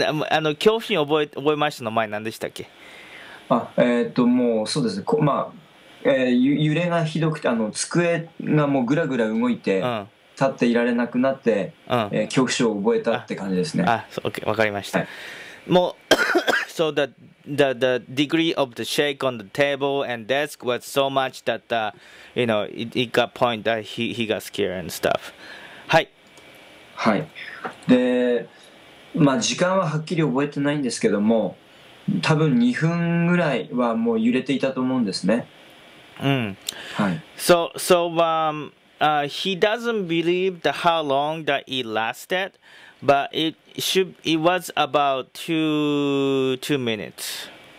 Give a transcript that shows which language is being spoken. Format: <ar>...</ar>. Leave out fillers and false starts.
<ja>あの恐怖心を覚えましたの前何でしたっけ？あ、もうそうですね。まあ、揺れがひどくて、あの机がもうぐらぐら動いて、立っていられなくなって、恐怖症を覚えたって感じですね。あ、okay、わかりました。</ja> <en>もう、 so the degree of the shake on the table and desk was so much that you know it got point that he got scared and stuff.</en> <ja>はい。はい。で、まあ時間ははっきり覚えてないんですけども、多分2分ぐらいはもう揺れていたと思うんですね。うん。はい。</ja> <en>He doesn't believe the how long that it lasted, but it was about two minutes.</en>